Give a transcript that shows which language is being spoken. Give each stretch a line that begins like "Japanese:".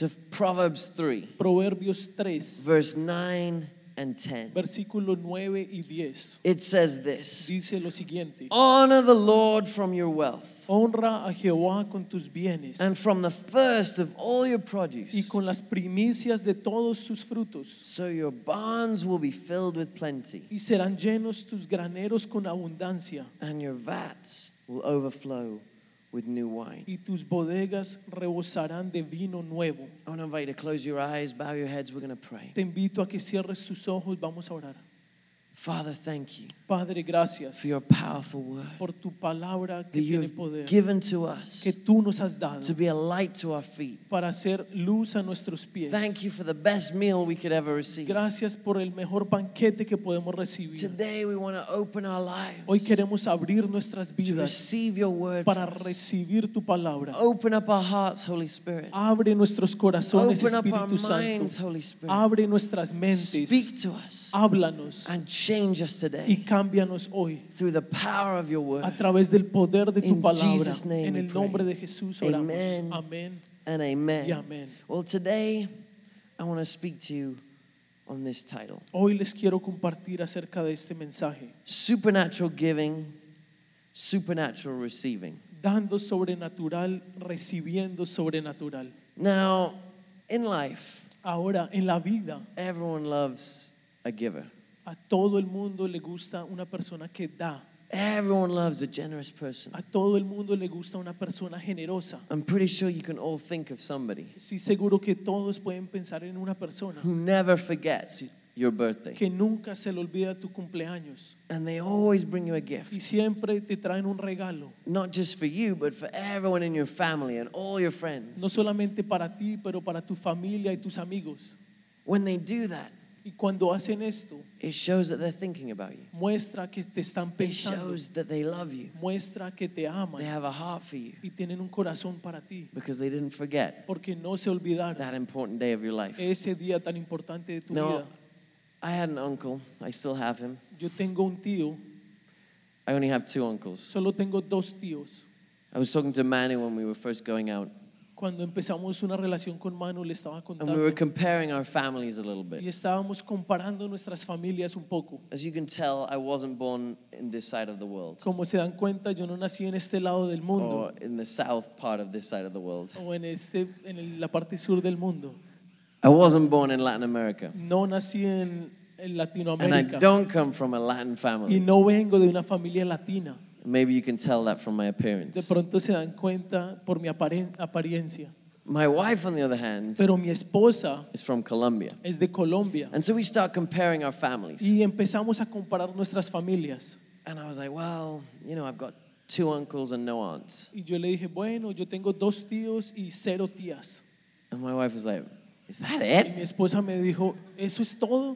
English: To Proverbs 3.
Spanish: Proverbios 3.
English: Verse 9 and 10.
Spanish: Versículo 9 y 10.
English: It says this.
Spanish: Dice lo siguiente.
English: Honor the Lord from your wealth.
Spanish: Honra a Jehová con tus bienes.
English: And from the first of all your produce.
Spanish: Y con las primicias de todos tus frutos.
English: So your barns will be filled with plenty.
Spanish: Y serán llenos tus graneros con abundancia.
English: And your vats will overflow with new wine.
Spanish: Y tus bodegas rebosarán de vino nuevo.
English: I want to invite you to close your eyes, bow your heads, we're going to pray.
Spanish: Te invito a que cierres tus ojos, vamos a orar.
English: Father, thank you.
Spanish: Padre, gracias.
English: For your powerful word.
Spanish: Por tu palabra que tiene poder.
English: That you've given to us.
Spanish: Que tú nos has dado.
English: To be a light to our feet.
Spanish: Para ser luz a nuestros pies.
English: Thank you for the best meal we could ever receive.
Spanish: Gracias por el mejor banquete que podemos recibir.
English: Today we want to open our lives.
Spanish: Hoy queremos abrir nuestras vidas.
English: To receive your word.
Spanish: Para recibir tu palabra.
English: Open up our hearts, Holy Spirit.
Spanish: Abre nuestros corazones,
English: open
Spanish: Espíritu
English: up our minds,
Spanish: Santo.
English: Holy Spirit.
Spanish: Abre nuestras mentes.
English: Speak to us.
Spanish: Háblanos.
English: And change us today.
Spanish: Y cámbianos hoy.
English: Through the power of your word.
Spanish: A través del poder de tu palabra.
English: In Jesus' name.
Spanish: En el nombre de Jesús oramos.
English: Amen.
Spanish: Amen.
English: And amen.
Spanish: Y amen.
English: Well, today I want to speak to you on this title.
Spanish: Hoy les quiero compartir acerca de este mensaje.
English: Supernatural giving, supernatural receiving.
Spanish: Dando sobrenatural, recibiendo sobrenatural.
English: Now, in life,
Spanish: ahora en la vida,
English: everyone loves a giver.
Spanish: A todo el mundo le gusta una persona que da.
English: Everyone loves a generous person.
Spanish: A todo el mundo le gusta una persona generosa.
English: I'm pretty sure you can all think of somebody.
Spanish: Estoy seguro que todos pueden pensar en una persona.
English: Who never forgets your birthday.
Spanish: Que nunca se le olvida tu cumpleaños.
English: And they always bring you a gift.
Spanish: Y siempre te traen un regalo.
English: Not just for you, but for everyone in your family and all your friends.
Spanish: No solamente para ti, pero para tu familia y tus amigos.
English: When they do that,
Spanish: y cuando hacen esto,
English: it shows that they're thinking about you.
Spanish: Muestra que te están pensando.
English: It shows that they love you.
Spanish: Muestra que te aman.
English: They have a heart for you.
Spanish: Y tienen un corazón para ti.
English: Because they didn't forget.
Spanish: Porque no se olvidaron.
English: That important day of your life.
Spanish: Ese día tan importante de tu
English: now,
Spanish: vida.
English: I had an uncle. I still have him.
Spanish: Yo tengo un tío.
English: I only have two uncles.
Spanish: Solo tengo dos tíos.
English: I was talking to Manny when we were first going out.
Spanish: Cuando empezamos una relación con Manu, le estaba contando.
English: And we were comparing our families a little bit.
Spanish: Y estábamos comparando nuestras familias un poco.
English: As you can tell, I wasn't born in this side of the world.
Spanish: Como se dan cuenta, yo no nací en este lado del mundo.
English: Or in the south part of this side of the world.
Spanish: O en este, en la parte sur del mundo.
English: I wasn't born in Latin America.
Spanish: No nací en Latinoamérica.
English: And I don't come from a Latin family.
Spanish: Y no vengo de una familia latina.
English: Maybe you can tell that from my appearance.
Spanish: De pronto se dan cuenta por mi apariencia.
English: My wife, on the other hand,
Spanish: pero mi esposa
English: is from Colombia.
Spanish: Es de Colombia.
English: And so we start comparing our families.
Spanish: Y empezamos a comparar nuestras familias.
English: And I was like, well, you know, I've got two uncles and no aunts.
Spanish: Y yo le dije, bueno, yo tengo dos tíos y cero tías.
English: And my wife was like, is that it?
Spanish: Y mi esposa me dijo, ¿eso es todo?